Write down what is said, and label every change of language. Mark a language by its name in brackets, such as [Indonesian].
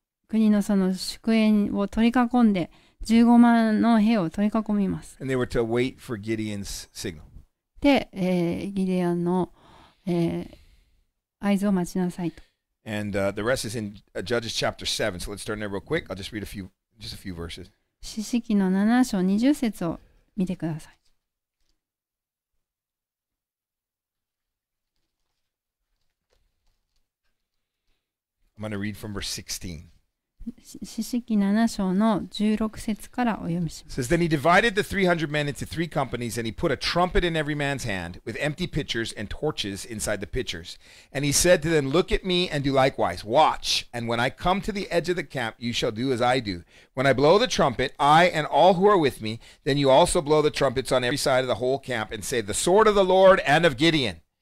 [Japanese] で、そのイスラエルの兵がミディアンの国のその宿営を取り囲んで 15万の兵を取り囲みます。 [English] And they were to wait for Gideon's signal. [Japanese] で、ギデオンの合図を待ちなさいと。 [English] And the rest is in Judges chapter 7. So let's turn there real quick. I'll just read a few verses. [Japanese] 詩編の7章20節を見てください。 [English] I'm going to read from verse 16. [Japanese] 詩編7章の16節からお読みします。 [English] It says, Then he divided the 300 men into three companies, and he put a trumpet in every man's hand, with empty pitchers and torches inside the pitchers. And he said to them, Look at me and do likewise. Watch, and when I come to the edge of the camp, you shall do as I do. When I blow the trumpet, I and all who are with me, then you also blow the trumpets on every side of the whole camp, and say, The sword of the Lord and of Gideon.